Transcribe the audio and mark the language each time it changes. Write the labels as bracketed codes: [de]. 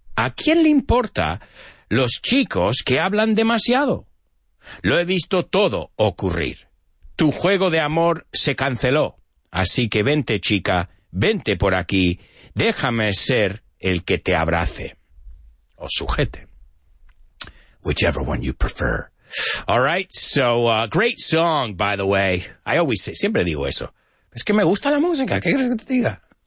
[es] ¿A quién le importa los chicos que hablan demasiado? Lo he visto todo ocurrir. Tu juego de amor se canceló. Así que vente, chica, vente por aquí, déjame ser el que te abrace. O sujete. [en] Whichever one you prefer. All right, so, great song, by the way. I always say, [es] siempre digo eso. Es que me gusta la música, ¿qué quieres que te diga?